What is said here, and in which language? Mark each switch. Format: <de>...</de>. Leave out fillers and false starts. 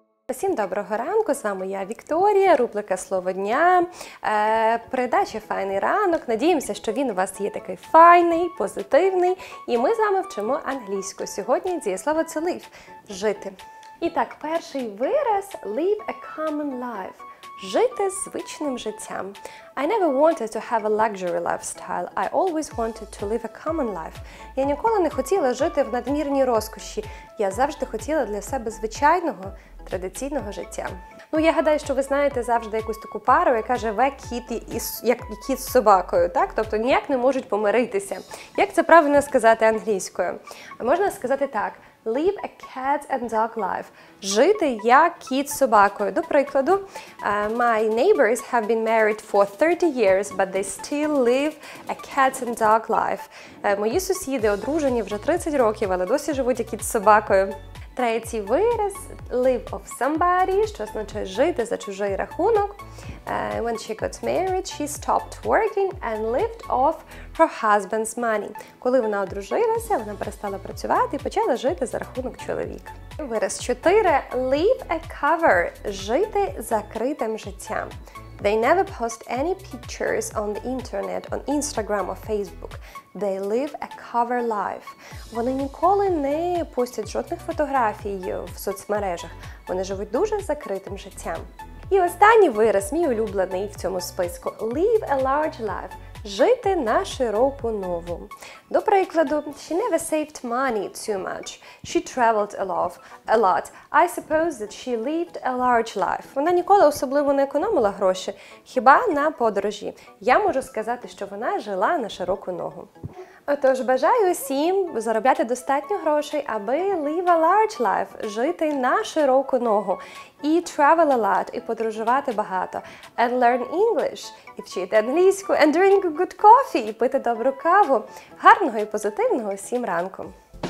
<uk>Усім доброго ранку, з вами я, Вікторія, рубрика «Слово дня», передача «Файний ранок». Надіємося, що він у вас є такий файний, позитивний. І ми з вами вчимо англійську. Сьогодні дієслово це «live» – «жити». І так, перший вираз –</uk> <en>«live a common life»</en> <uk>– «жити звичним життям».</uk> <en>I never wanted to have a luxury lifestyle. I always wanted to live a common life.</en> <uk>Я ніколи не хотіла жити в надмірній розкоші. Я завжди хотіла для себе звичайного, традиційного життя. Ну, я гадаю, що ви знаєте завжди якусь таку пару, яка живе кіт і кіт з собакою, так? Тобто ніяк не можуть помиритися. Як це правильно сказати англійською? Можна сказати так:</uk> <en>live a cat and dog life.</en> <uk>Жити як кіт з собакою. До прикладу,</uk> <en>my neighbors have been married for 30 years, but they still live a cat and dog life.</en> <uk>Мої сусіди одружені вже 30 років, але досі живуть як кіт з собакою. Третій вираз –</uk> <en>live off somebody,</en> <uk>що означає жити за чужий рахунок.</uk> <en>When she got married, she stopped working and lived off her husband's money.</en> <uk>Коли вона одружилася, вона перестала працювати і почала жити за рахунок чоловіка. Вираз 4 –</uk> <en>live a cover</en> <uk>– жити закритим життям.</uk> <en>They never post any pictures on the internet, on Instagram or Facebook. They live a cover life.</en> <uk>Вони ніколи не пустять жодних фотографій в соцмережах. Вони живуть дуже закритим життям. І останній вираз, мій улюблений в цьому списку.</uk> <en>Live a large life.</en> <uk>Жити на широку ногу. До прикладу,</uk> <en>she never saved money too much. She traveled a lot. I suppose that she lived a large life.</en> <uk>Вона ніколи особливо не економила гроші, хіба на подорожі. Я можу сказати, що вона жила на широку ногу. Отож, бажаю усім заробляти достатньо грошей, аби</uk> <en>live a large life,</en> <uk>жити на широку ногу, і</uk> <en>travel a lot,</en> <uk>і подорожувати багато,</uk> <en>and learn English,</en> <uk>і вчити англійську,</uk> <en>and drink good coffee,</en> <uk>і пити добру каву. Гарного і позитивного усім ранку!</uk>